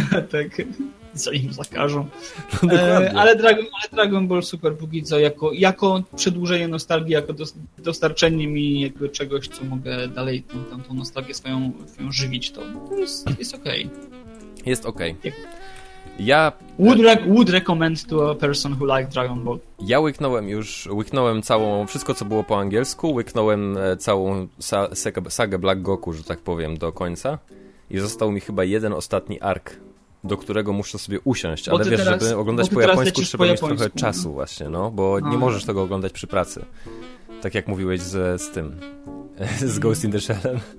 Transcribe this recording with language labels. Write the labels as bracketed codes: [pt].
[pl] Tak, co im zakażą. No, ale Dragon Ball Super póki co, jako przedłużenie nostalgii, jako dostarczenie mi jakby czegoś, co mogę dalej tą nostalgię swoją żywić, to jest okej. Jest okej. Okay. Ja... [en] Would recommend to a person who likes Dragon Ball. [pl] Ja łyknąłem całą, wszystko co było po angielsku, łyknąłem całą sagę Black Goku, że tak powiem, do końca. I został mi chyba jeden ostatni ark, do którego muszę sobie usiąść. Bo ale wiesz, teraz, żeby oglądać po japońsku, trzeba po mieć japońsku, trochę czasu właśnie, no. Bo nie możesz tego oglądać przy pracy. Tak jak mówiłeś z tym, z Ghost in the Shell'em.